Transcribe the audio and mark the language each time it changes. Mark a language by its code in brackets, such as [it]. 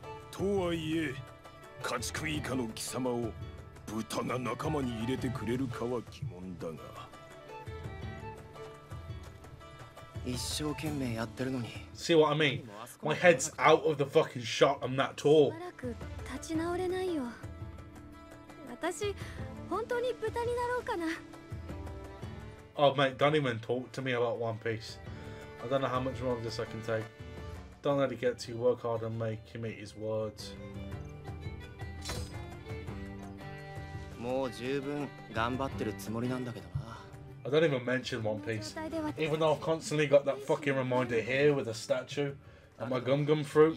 [ja] とはいえ家畜以下の貴様を豚が仲間に入れてくれるかは疑問だが、一生懸命やってるのに。 [en] See what I mean? My head's out of the fucking shot. I'm that tall. [ja] しばらく立ち直れないよ。私本当に豚になろうかな。 [en] Oh mate, don't even talk to me about One Piece. I don't know how much more of this I can take. Don't let it get to you. Work hard and make him eat his words. [ja] もう十分頑張ってるつもりなんだけどな。 [en] I don't even mention One Piece. Even though I've constantly got that fucking reminder here with a statue and my gum gum fruit.